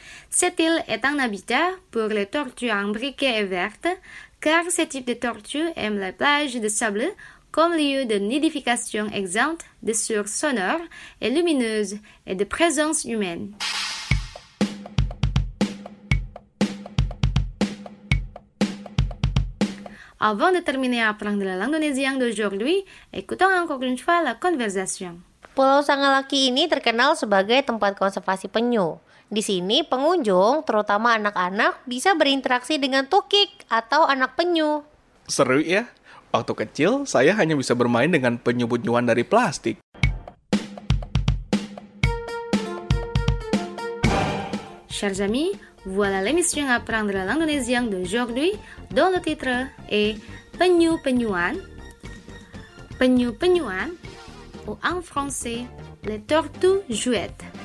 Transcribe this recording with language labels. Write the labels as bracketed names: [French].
[French] Cette île est un habitat pour les tortues imbriquées et vertes, car ce type de tortue aime les plages de sable comme lieu de nidification exempte de sources sonores et lumineuses et de présence humaine. Avant de terminer à apprendre l'indonésien d'aujourd'hui, écoutons encore une fois la conversation. [Indonesian] Pulau Sangalaki ini terkenal sebagai tempat konservasi penyu. Di sini pengunjung, terutama anak-anak, bisa berinteraksi dengan tukik atau anak penyu. Seru ya. Waktu kecil, saya hanya bisa bermain dengan penyu-penyuan dari plastik. [French] Chers amis, voilà l'émission Apprendre l'indonésien d'aujourd'hui dont le titre est Penyu-penyuan. Penyu-penyuan, ou en français, les tortues jouettes.